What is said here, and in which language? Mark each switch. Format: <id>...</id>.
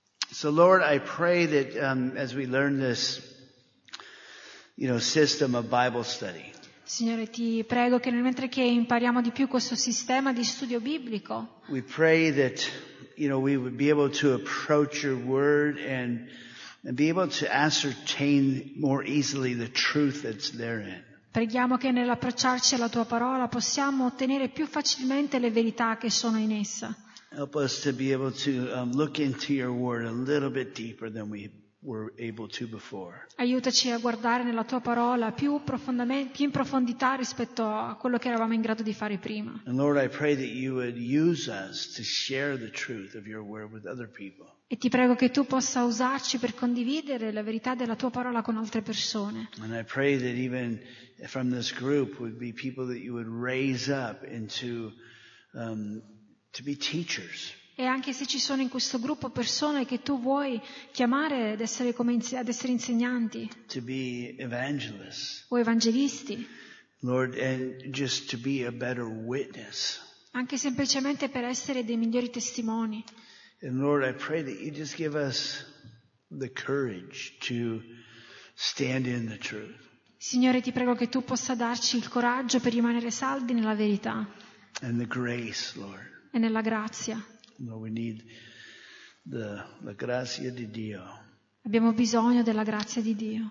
<en>So Lord, I pray that as we learn this, you know, system of Bible study.</en> <it>Signore, ti prego che mentre che impariamo di più questo sistema di studio biblico.</it> <en>We pray that, you know, we would be able to approach your word and be able to ascertain more easily the truth that's therein.</en> <it>Preghiamo che nell'approcciarci alla tua parola possiamo ottenere più facilmente le verità che sono in essa.</it> <en>Help us to be able to look into your word a little bit deeper than we were able to before.</en> <it>Aiutaci a guardare nella tua parola più in profondità rispetto a quello che eravamo in grado di fare prima.</it> <en>And Lord, I pray that you would use us to share the truth of your word with other people.</en> <it>E ti prego che tu possa usarci per condividere la verità della tua parola con altre persone.</it> <en>And I pray that even from this group would be people that you would raise up into to be teachers.</en> <it>E anche se ci sono in questo gruppo persone che tu vuoi chiamare ad essere insegnanti.</it> <en>To be evangelists.</en> <it>O evangelisti.</it> <en>Lord, and just to be a better witness.</en> <it>Anche semplicemente per essere dei migliori testimoni.</it> <en>And Lord, I pray that you just give us the courage to stand in the truth.</en> <it>Signore, ti prego che tu possa darci il coraggio per rimanere saldi nella verità.</it> <en>And the grace, Lord.</en> <it>E nella grazia.</it> <en>Lord, we need the</en> <it>grazia di Dio. Abbiamo bisogno della grazia di Dio.</it>